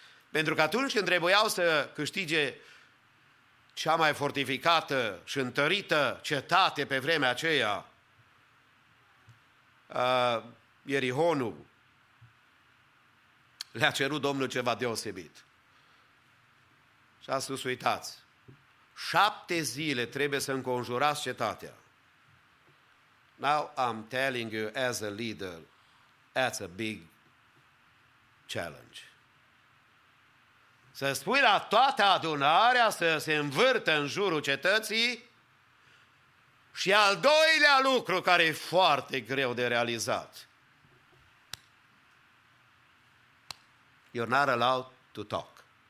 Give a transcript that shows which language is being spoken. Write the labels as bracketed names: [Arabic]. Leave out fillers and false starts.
[Romanian] Pentru că atunci când trebuiau să câștige cea mai fortificată și întărită cetate pe vremea aceea, Ierihonul, le-a cerut Domnul ceva deosebit. Și a spus: uitați, 7 zile trebuie să înconjurați cetatea. [English] Now I'm telling you as a leader, that's a big challenge. [Romanian] Să spui la toată adunarea să se învârtă în jurul cetății. Și al doilea lucru care e foarte greu de realizat: [English] you're not allowed to talk.